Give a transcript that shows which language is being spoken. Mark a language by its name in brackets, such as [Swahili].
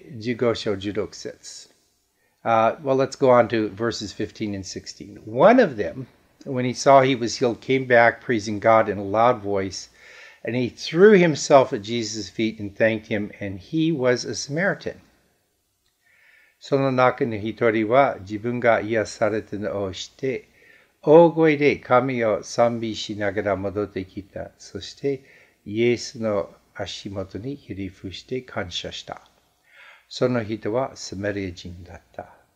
[Japanese] びっくりしたでしょう。どう思ったでしょうか。まあ、続いて15章16節。 [English] Well, let's go on to verses 15 and 16. One of them, when he saw he was healed, came back praising God in a loud voice, and he threw himself at Jesus' feet and thanked him, and he was a Samaritan. [Japanese] その中の一人は自分が癒されたのを知って、 大声で神を賛美しながら戻ってきた。そしてイエスの足元にひれ伏して感謝した。その人はサマリア人だった。